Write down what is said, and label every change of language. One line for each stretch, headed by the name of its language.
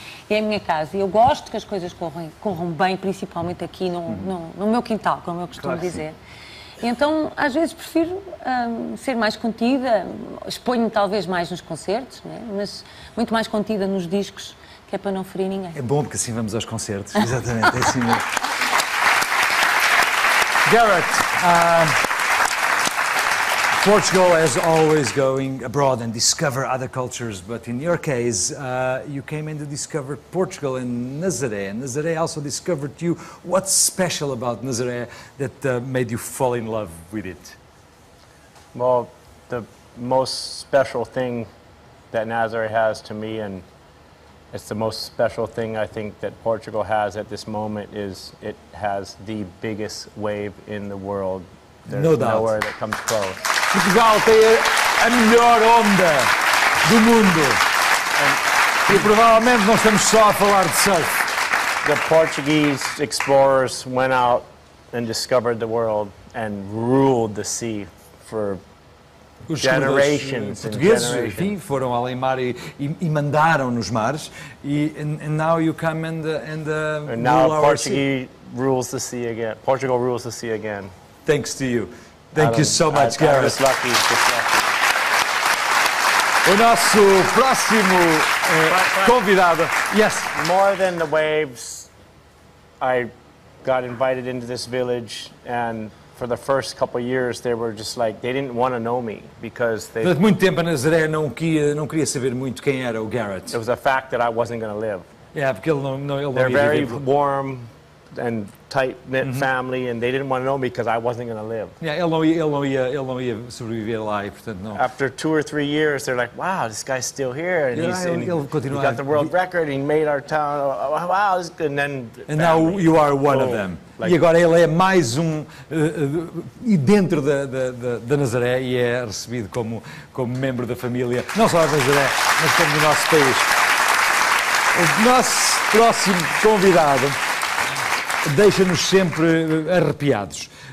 Portuguese: É a minha casa e eu gosto que as coisas corram bem, principalmente aqui no meu quintal, como eu costumo claro dizer. Então, às vezes, prefiro ser mais contida, exponho-me talvez mais nos concertos, né? Mas muito mais contida nos discos, que é para não ferir ninguém. É bom, porque assim vamos aos concertos. Exatamente, é assim mesmo.
English: Garrett, Portugal is always going abroad and discover other cultures, but in your case, you came in to discover Portugal and Nazaré. And Nazaré also discovered you. What's special about Nazaré that made you fall in love with it? Well, the most special thing that Nazaré has to me, and it's the most special thing I think that Portugal has at this moment, is it has the biggest wave in the world. There's no doubt. Nowhere that comes close.
Portuguese: Portugal tem a melhor onda do mundo. E provavelmente não estamos só a falar de surf.
English: The Portuguese explorers went out and discovered the world and ruled the sea for
Portuguese: os
English: generations.
Portuguese: Os portugueses, enfim, foram além mar e mandaram nos mares.
English: And now you come and now rule Portuguese sea. Rules the sea again. Portugal rules the sea again. Thanks to you. Thank you so much, Garrett. I'm just lucky.
Portuguese: O nosso próximo convidado. Yes.
English: More than the waves, I got invited into this village, and for the first couple of years, they were just like, they didn't want to know me because they.
Portuguese: Durante muito tempo, a Nazaré não queria saber muito quem era o Garrett.
English: It was a fact that I wasn't going to live.
Portuguese: Yeah, porque ele não ia viver.
English: They're very warm and tight-knit family, and they didn't want to know me because I wasn't going to live.
Portuguese: Yeah, ele não ia sobreviver lá, e, portanto, não.
English: After 2 or 3 years, they're like, wow, this guy's still here, and yeah, he got the world record, and he made our town, wow, this is good, and then... And now you are one of them.
Portuguese: Like, e agora ele é mais dentro da Nazaré, e é recebido como membro da família, não só da Nazaré, mas como do nosso país. O nosso próximo convidado deixa-nos sempre arrepiados.